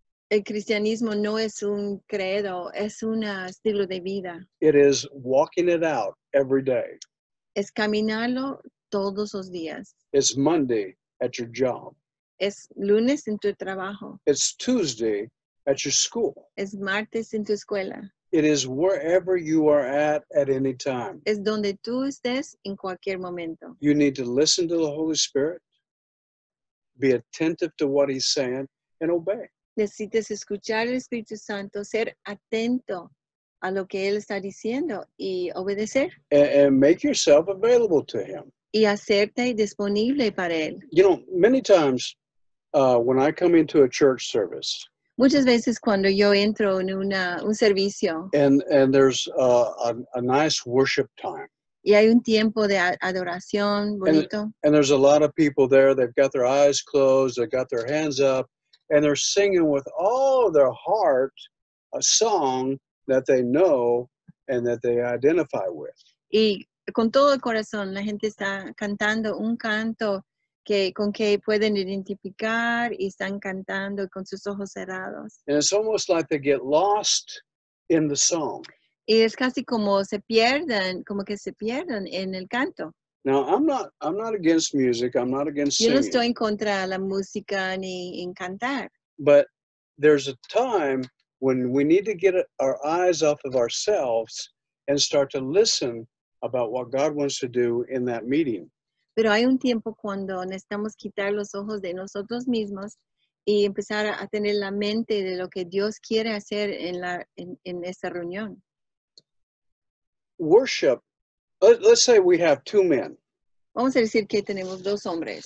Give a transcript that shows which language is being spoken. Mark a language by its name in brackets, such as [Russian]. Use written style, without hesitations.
[Spanish] El cristianismo no es un credo, es un estilo de vida. [English] It is walking it out every day. [Spanish] Es caminarlo todos los días. [English] It's Monday at your job. [Spanish] Es lunes en tu trabajo. [English] It's Tuesday at your school. [Spanish] Es martes en tu escuela. [English] It is wherever you are at any time. [Spanish] Es donde tú estés en cualquier momento. [English] You need to listen to the Holy Spirit, be attentive to what he's saying, and obey. [Spanish] Necesitas escuchar al Espíritu Santo, ser atento a lo que él está diciendo y obedecer. [English] And make yourself available to him. [Spanish] Y hacerte disponible para él. [English] You know, many times when I come into a church service, [Spanish] muchas veces cuando yo entro en un servicio, [English] and there's a nice worship time, [Spanish] y hay un tiempo de adoración bonito, [English] and there's a lot of people there, they've got their eyes closed, they've got their hands up, and they're singing with all their heart a song that they know and that they identify with. [Spanish] Y con todo el corazón, la gente está cantando un canto con que pueden identificar y están cantando con sus ojos cerrados. [English] And it's almost like they get lost in the song. [Spanish] Y es casi como que se pierden en el canto. [English] Now, I'm not against music. I'm not against singing. [Spanish] Yo no estoy en contra de la música ni en cantar. [English] But there's a time when we need to get our eyes off of ourselves and start to listen about what God wants to do in that meeting. [Spanish] Pero hay un tiempo cuando necesitamos quitar los ojos de nosotros mismos y empezar a tener la mente de lo que Dios quiere hacer en esa reunión. [English] Worship. Let's say we have two men. [Spanish] Vamos a decir que tenemos dos hombres.